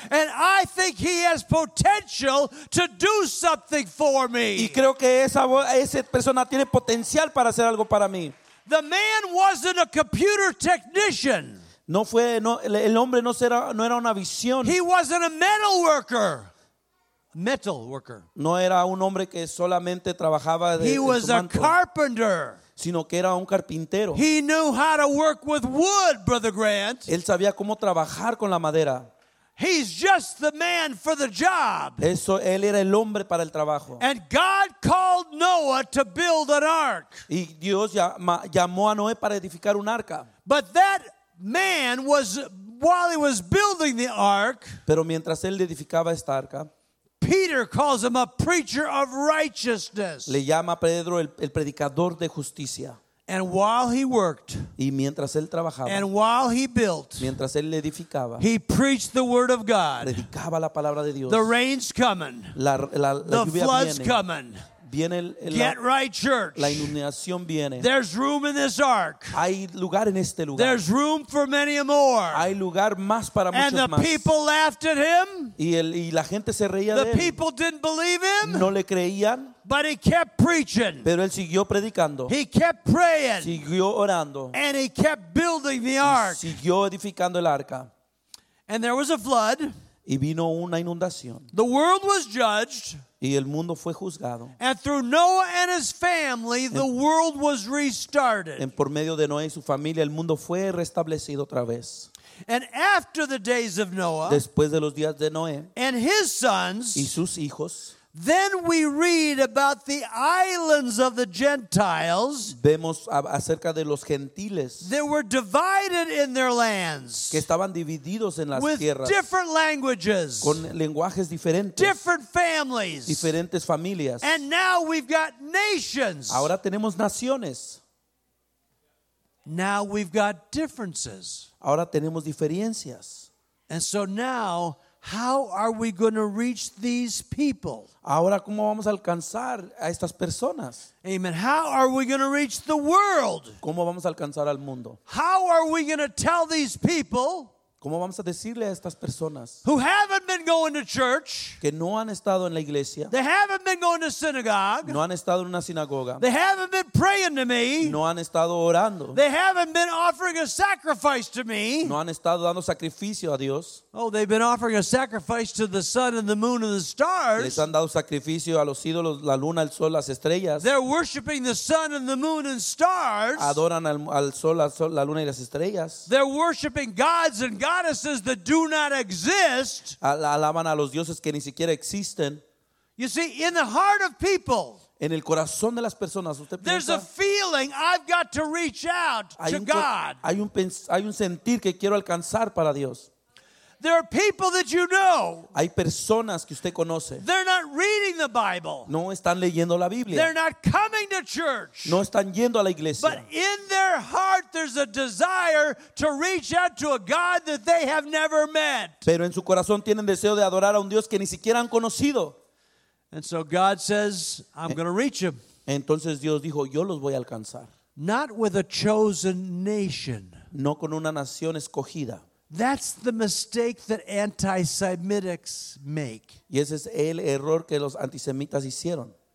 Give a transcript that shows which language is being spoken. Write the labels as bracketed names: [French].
[English] And I think he has potential to do something for me. [Spanish] Y creo que esa persona tiene potencial para hacer algo para mí. [English] The man wasn't a computer technician. [Spanish] No fue, no, el hombre no era, no era una visión. [English] He wasn't a metal worker. Metal worker. [Spanish] No era un hombre que solamente trabajaba de, [English] he was [Spanish] de su manto, [English] a carpenter. [Spanish] Sino que era un carpintero. [English] He knew how to work with wood, Brother Grant. [Spanish] Él sabía cómo trabajar con la madera. [English] He's just the man for the job. [Spanish] Eso, él era el hombre para el trabajo. [English] And God called Noah to build an ark. [Spanish] Y Dios llamó a Noé para edificar un arca. [English] But that man was, while he was building the ark, [Spanish] pero mientras él edificaba esta arca, [English] Peter calls him a preacher of righteousness. [Spanish] Le llama Pedro el predicador de justicia. [English] And while he worked, [Spanish] y mientras él trabajaba, [English] and while he built, [Spanish] mientras él edificaba, [English] he preached the word of God. [Spanish] Predicaba la palabra de Dios. [English] The rain's coming. [Spanish] La [English] the flood's [Spanish] viene. [English] Coming. [Spanish] Viene [English] get right, church. [Spanish] La inundación viene. [English] There's room in this ark. [Spanish] Hay lugar en este lugar. [English] There's room for many more. [Spanish] Hay lugar más para [English] and [Spanish] muchos [English] the [Spanish] más. [English] People laughed at him. [Spanish] Y la gente se reía [English] the [Spanish] de él. [English] People didn't believe him. [Spanish] No le creían. [English] But he kept preaching. [Spanish] Pero él siguió predicando. [English] He kept praying. [Spanish] Siguió orando. [English] And he kept building the ark. [Spanish] Y siguió edificando el arca. [English] And there was a flood. [Spanish] Y vino una inundación. [English] The world was judged. [Spanish] Y el mundo fue juzgado. [English] And through Noah and his family, the world was restarted. [Spanish] En por medio de Noé y su familia, el mundo fue restablecido otra vez. [English] And after the days of Noah, [Spanish] después de los días de Noé, [English] and his sons, [Spanish] y sus hijos, [English] then we read about the islands of the Gentiles. [Spanish] Vemos acerca de los gentiles. [English] They were divided in their lands. [Spanish] Que estaban divididos en las [English] with [Spanish] tierras. [English] With different languages. [Spanish] Con lenguajes diferentes. [English] Different families. [Spanish] Diferentes familias. [English] And now we've got nations. [Spanish] Ahora tenemos naciones. [English] Now we've got differences. [Spanish] Ahora tenemos diferencias. [English] And so now, how are we going to reach these people? [Spanish] Ahora, ¿cómo vamos a alcanzar a estas personas? [English] Amen. How are we going to reach the world? [Spanish] ¿Cómo vamos a alcanzar al mundo? [English] How are we going to tell these people? [Spanish] ¿Cómo vamos a decirle a estas personas? [English] Who haven't been going to church? [Spanish] Que no han estado en la iglesia. [English] They haven't been going to synagogue. [Spanish] No han estado en una sinagoga. [English] They haven't been praying to me. [Spanish] No han estado orando. [English] They haven't been offering a sacrifice to me. [Spanish] No han estado dando sacrificio a Dios. [English] Oh, they've been offering a sacrifice to the sun and the moon and the stars. [Spanish] Les han dado sacrificio a los ídolos, la luna, el sol, las estrellas. [English] They're worshiping the sun and the moon and stars. [Spanish] Adoran al sol, la luna y las estrellas. [English] They're worshiping gods and goddesses that do not exist. [Spanish] Alaban a los dioses que ni siquiera existen. [English] You see, in the heart of people, [Spanish] en el corazón de las personas, usted piensa, [English] there's a feeling I've got to reach out to God. [Spanish] Hay un sentir que quiero alcanzar para Dios. [English] There are people that you know. [Spanish] Hay personas que usted conoce. [English] They're not reading the Bible. [Spanish] No están leyendo la Biblia. [English] They're not coming to church. [Spanish] No están yendo a la iglesia. [English] But in their heart there's a desire to reach out to a God that they have never met. [Spanish] Pero en su corazón tienen deseo de adorar a un Dios que ni siquiera han conocido. [English] And so God says, I'm going to reach him. [Spanish] Entonces Dios dijo, yo los voy a alcanzar. [English] Not with a chosen nation. [Spanish] No con una nación escogida. [English] That's the mistake that anti-Semitics make. [Spanish] Y ese es el error que los antisemitas hicieron.